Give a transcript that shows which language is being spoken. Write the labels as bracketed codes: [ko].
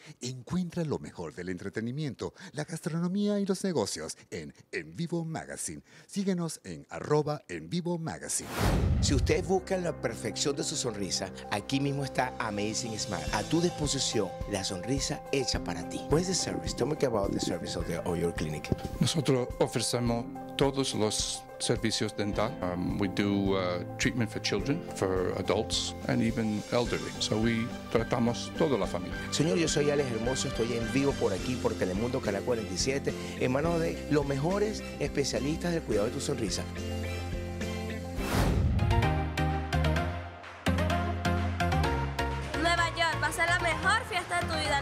[es] Encuentra lo mejor del entretenimiento, la gastronomía y los negocios en Vivo Magazine. Síguenos en arroba En Vivo Magazine. Si usted busca la perfección de su sonrisa, aquí mismo está Amazing Smile. A tu disposición, la sonrisa hecha para ti. ¿Qué es el servicio? [en] Tell me about the service of your clinic. [es] Nosotros ofrecemos todos los servicios dental. [en] We do treatment for children, for adults, and even elderly. So we [es] tratamos toda la familia. Señor, yo soy Alex Hermoso. Estoy en vivo por aquí, por Telemundo, Canal 47, en manos de los mejores especialistas del cuidado de tu sonrisa. Nueva York va a ser la mejor fiesta de tu vida.